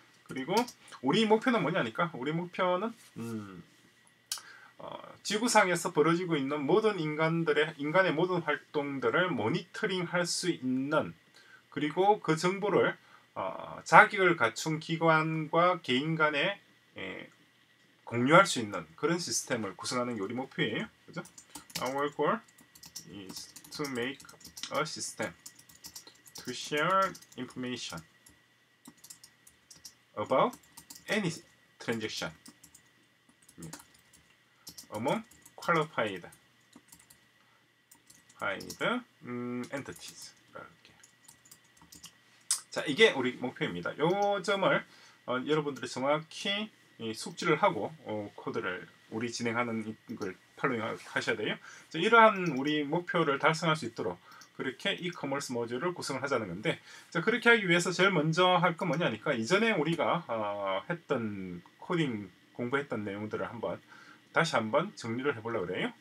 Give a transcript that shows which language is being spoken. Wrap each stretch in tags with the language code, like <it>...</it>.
<ko>그리고 우리 목표는 뭐냐니까, 우리 목표는 지구상에서 벌어지고 있는 모든 인간의 모든 활동들을 모니터링 할 수 있는, 그리고 그 정보를 자격을 갖춘 기관과 개인 간에 공유할 수 있는 그런 시스템을 구성하는 게 우리 목표예요. 그죠?</ko> <en>Our goal is to make a system to share information about any transaction among qualified entities.</en> <ko>자, 이게 우리 목표입니다. 요 점을 여러분들이 정확히 숙지를 하고 코드를 우리 진행하는 걸 팔로잉 하셔야 돼요. 자, 이러한 우리 목표를 달성할 수 있도록 그렇게 이커머스 모듈을 구성을 하자는 건데, 자, 그렇게 하기 위해서 제일 먼저 할 건 뭐냐니까, 이전에 우리가 했던 코딩 공부했던 내용들을 다시 한번 정리를 해보려고 그래요.</ko>